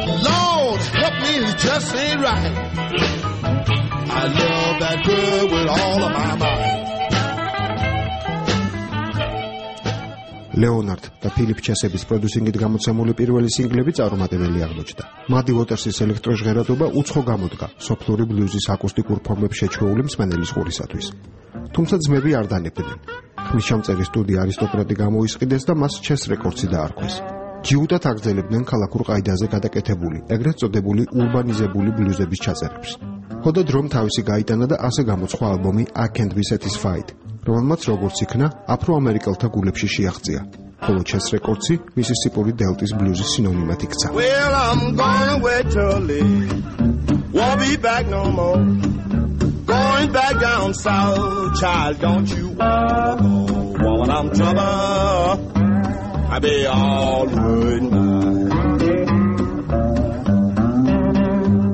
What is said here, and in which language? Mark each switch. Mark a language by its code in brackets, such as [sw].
[en] Lord, help me, it just ain't right. I love that girl with all of my mind. [ka] ლეონარდ და ფილიპ ჩესების პროდიუსინგით გამოცემული პირველი სინგლები წარუმატებელი აღმოჩნდა. მადი ვოტერსის ელექტროჟღერადობა უცხო გამოდგა სოფლური ბლუზის აკუსტიკურ ფორმებში შეჩვეული მსმენელის ყურისათვის. თუმცა ძმები არ დანებდნენ. ხმისჩამწერი სტუდია არისტოკრატი გამოისყიდეს და მას ჩეს რეკორდსი დაარქვეს. ჯიუტად აგრძელებდნენ ქალაქურ ყაიდაზე გადაკეთებული, ეგრეთ წოდებული ურბანიზებული ბლუზების ჩაწერებს. ხოდა დრომ თავისი გაიტანა და ასე გამოცხვა ალბომი I Can't Be Satisfied, რომელმაც როგორც იქნა აფროამერიკელთა გულებში შეაღწია, ხოლო ჩეს რეკორდსი მისისიპური დელტის ბლუზის სინონიმად იქცა. [en] Well, I'm gonna wait till I won't be back no more. Going back down south, child, don't you want to go. When I'm trouble, I'll be all good now.